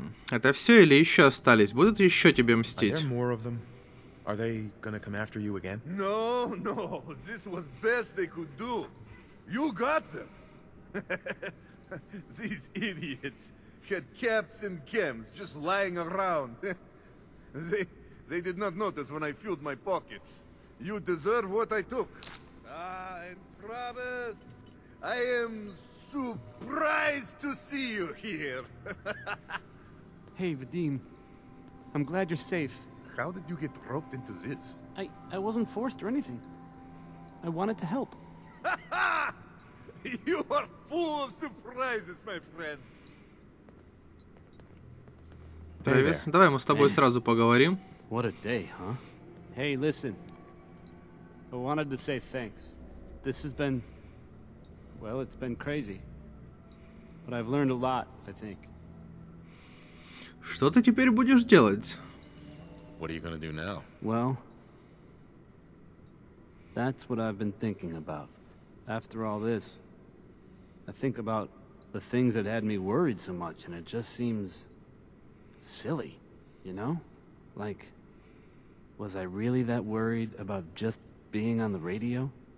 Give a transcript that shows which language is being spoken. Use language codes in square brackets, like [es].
[ru] Это все или еще остались? Будут еще тебе мстить? [en] I have more of them. Are they gonna come after you again? No, no. This was best they could do. You got them. These idiots had caps and chems just lying around. They did not notice when I filled my pockets. You deserve what I took. Ah, and Travis, I am surprised to see you here. Hey, Vadim. I'm glad you're safe. How did you get roped into this? I wasn't forced or anything. I wanted to help. You are full of surprises, my friend. [ru] Travis, hey, давай мы с тобой сразу поговорим. [en] What a day, huh? Hey, listen. I wanted to say thanks. This has been... Well, it's been crazy. But I've learned a lot, I think. [ru] Что ты теперь будешь делать? [en] What are you gonna do now? Well... That's what I've been thinking about. After all this, I think about the things that had me worried so much, and it just seems... silly, you know? Like... Was I really that worried about just being on the radio?